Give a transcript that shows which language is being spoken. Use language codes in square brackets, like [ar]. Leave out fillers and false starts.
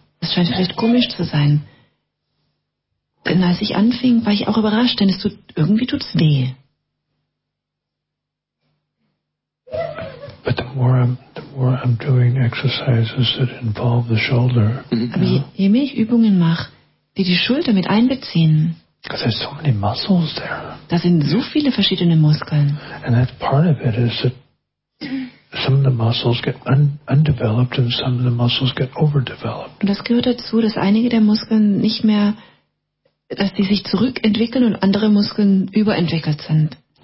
[de] Das scheint vielleicht komisch zu sein. Denn als ich anfing, war ich auch überrascht, denn irgendwie tut's weh. [en] But the more I'm doing exercises that involve the shoulder. [de] Aber je mehr ich Übungen mache, die die Schulter mit einbeziehen. [en] Because there's so many muscles there. [de] Da sind so viele verschiedene Muskeln. [en] And that part of it is that some of the muscles get undeveloped and some of the muscles get overdeveloped. [de] Und das gehört dazu, dass einige der Muskeln nicht mehr, dass die sich zurückentwickeln und andere Muskeln überentwickelt sind.